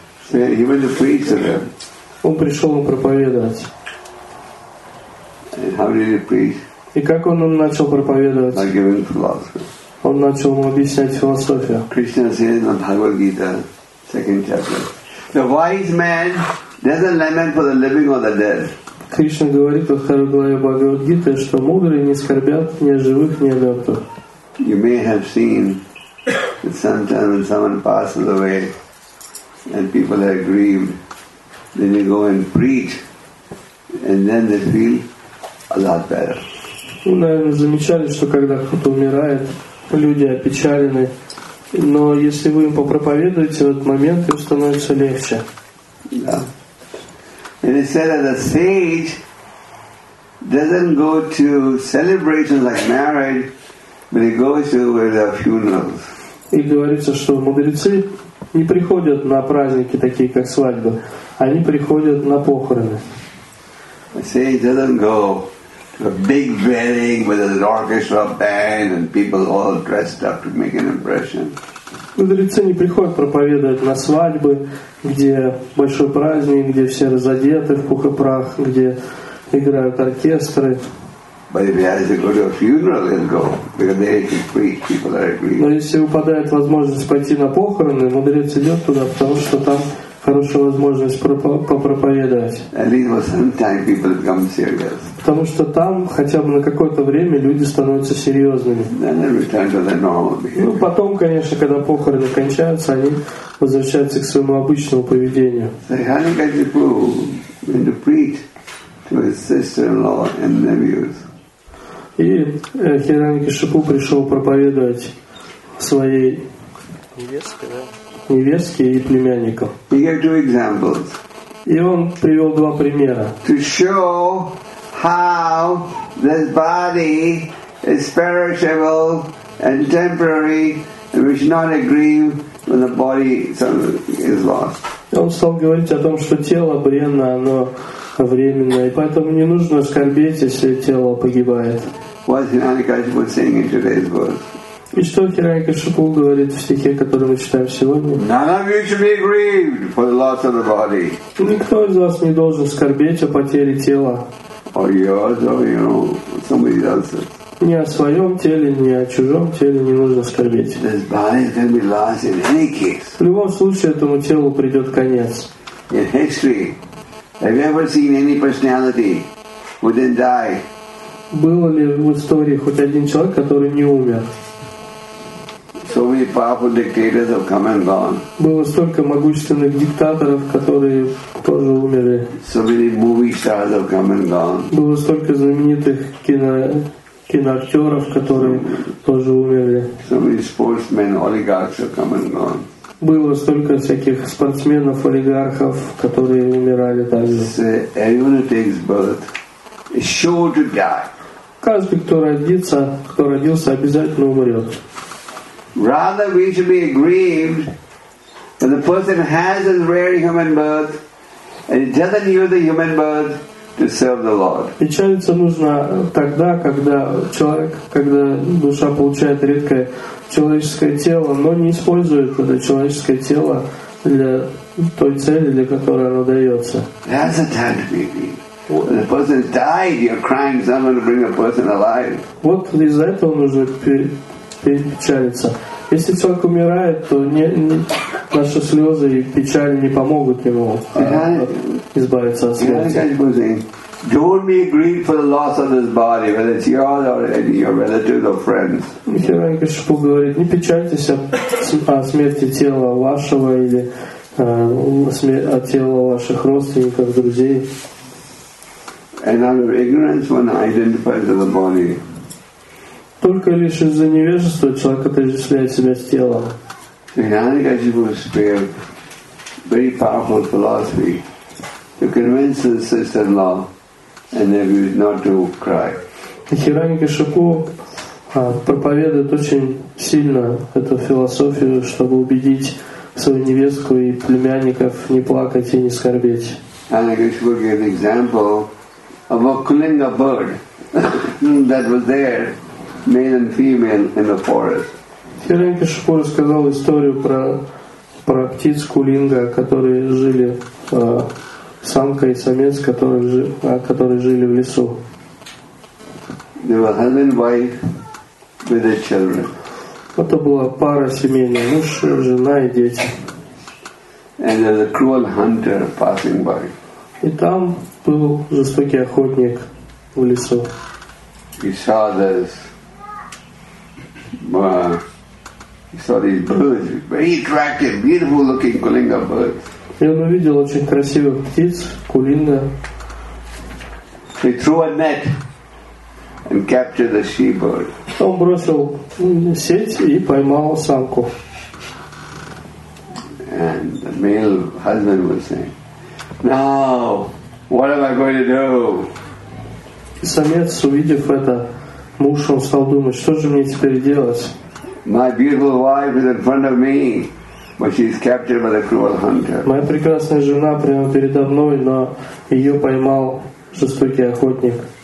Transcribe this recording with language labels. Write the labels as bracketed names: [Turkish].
[English] He went to preach to them. [Russian] Он пришел им проповедовать. [English] And how did he preach? [Russian] И как он начал проповедовать? [English] By giving philosophy. [Russian] Он начал ему объяснять философию. [English] Krishna says in the Bhagavad Gita, second chapter, the wise man doesn't lament for the living or the dead. [Russian] Кришна говорит во второй главе Бхагавад Гиты, что мудрые не скорбят ни о живых, ни о мертвых. [English] You may have seen that sometimes when someone passes away and people are grieved, then they go and preach, and then they feel a lot better. [Russian] Вы, наверное, замечали, что когда кто-то умирает, люди опечалены. Но если вы им попроповедуете в этот момент, им становится легче. Да. [English] And it said that the sage doesn't go to celebrations like marriage, but he goes to where there are funerals. [Russian] И говорится, что мудрецы не приходят на праздники, такие как свадьбы. Они приходят на похороны. [English] The sage doesn't go a big wedding with an orchestra band and people all dressed up to make an impression. [Russian] Мудрецы не приходят проповедовать на свадьбы, где большой праздник, где все разодеты в пух и прах, где играют оркестры. [English] But if he has to go to a funeral, he'll go. Because there he can preach, people are agreed. [Russian] Но если упадает возможность пойти на похороны, мудрец идет туда, потому что там хорошая возможность попроповедовать. [English] At least for some time people become serious. [Russian] Потому что там хотя бы на какое-то время люди становятся серьезными. [English] Then they return to their normal behavior. [Russian] Ну потом, конечно, когда похороны кончаются, они возвращаются к своему обычному поведению. [English] So Hiranyakashipu went to preach to his sister-in-law and nephews. [Russian] И Хиранья-Кашипу пришел проповедовать своей невестке, да? Невестке и племянникам. [English] He gave two examples. [Russian] И он привел два примера. [English] To show how this body is perishable and temporary, and we should not grieve when the body is lost. [Russian] Он стал говорить о том, что тело бренно, оно временное, и поэтому не нужно скорбеть, если тело погибает. [English] What Hiranyakashipu was saying in today's verse. [Russian] И что Хиранья-Кашипу говорит в стихе, который мы читаем сегодня? [English] None of you should be grieved for the loss of the body. [Russian] Никто из вас не должен скорбеть о потере тела. [English] Or yours, or, you know, somebody else's. [Russian] Ни о своем теле, ни о чужом теле не нужно скорбеть. [English] This body is going to be lost in any case. [Russian] В любом случае этому телу придет конец. [English] In history, have you ever seen any personality who didn't die? [Russian] Было ли в истории хоть один человек, который не умер? [English] So many powerful dictators have come and gone. [Russian] Было столько могущественных диктаторов, которые тоже умерли. [English] So many movie stars have come and gone. [Russian] Было столько знаменитых киноактеров, которые тоже умерли. [English] So many sportsmen, oligarchs have come and gone. [Russian] Было столько всяких спортсменов, олигархов, которые умирали также. [English] Everyone who takes birth is sure to die. [Russian] Каждый, кто родится, кто родился, обязательно умрет. [English] Rather we should be aggrieved when the person has his rare human birth and he doesn't use the human birth to serve the Lord. [Russian] Печалиться нужно тогда, когда человек, когда душа получает редкое человеческое тело, но не использует это человеческое тело для той цели, для которой оно дается. [English] That's a time to be aggrieved. The person died, you're crying, someone to bring a person alive. [Russian] Вот из-за этого нужно печалиться. Если человек умирает, то наши слезы и печали не помогут ему избавиться от смерти. [English] Don't be grieved for the loss of this body, whether it's yours or any your relatives or friends. [Russian] Хирург Шипу говорит, не печальтесь о смерти тела вашего или о тела ваших родственников, друзей. [English] And out of ignorance one identifies with the body. [Russian] Только лишь из-за невежества человек отождествляет себя с телом. [English] Хирург Шипу very powerful philosophy to convince his sister-in-law and they would not to cry. [Russian] Хирани Кешапу проповедует очень сильно эту философию, чтобы убедить свою невестку и племянников не плакать и не скорбеть. [English] And Кешапу gave an example of a Kulinga bird that was there, male and female, in the forest. [Russian] Хирани Кешапу рассказал историю про птиц Кулинга, которые жили самка и самец, которые жили в лесу. [English] They were husband, wife, with their children. [Russian] Это была пара семейная, муж, жена и дети. [English] And there was a cruel hunter passing by. [Russian] И там был жестокий охотник в лесу. [English] He saw this, he saw these birds, very attractive, beautiful looking Kulinga birds. [Russian] И он увидел очень красивых птиц, кулинга. [English] He threw a net and captured the she-bird. [Russian] Он бросил сеть и поймал самку. [English] And the male husband was saying, "Now, what am I going to do?" [Russian] И самец, увидев это, муж, он стал думать, что же мне теперь делать? [English] My beautiful wife is in front of me. But she's captured by the cruel hunter. [Russian] Моя прекрасная жена прямо передо мной, но ее поймал жестокий охотник.